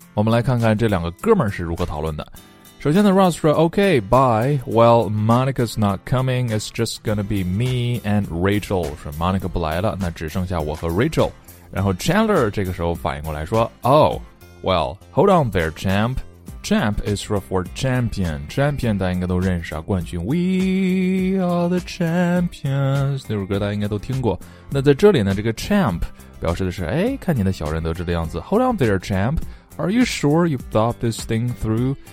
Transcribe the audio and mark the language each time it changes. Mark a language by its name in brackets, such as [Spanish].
[Chinese] 我们来看看这两个哥们儿是如何讨论的。首先呢， [English] Ross [Chinese] 说 [English] OK, bye, well, Monica's not coming, it's just gonna be me and Rachel. [Chinese] 说 Monica 不来了，那只剩下我和 Rachel。然后 Chandler 这个时候反应过来说 [English] Oh, well, hold on there, champChamp is for champion. [Chinese] Champion 大家应该都认识啊，冠军。 [English] We are the champions. [Chinese] 那首歌大家应该都听过。那在这里呢，这个 champ 表示的是，哎，看你的小人得志的样子。 [English] Hold on there, champ. Are you sure you've thought this thing through?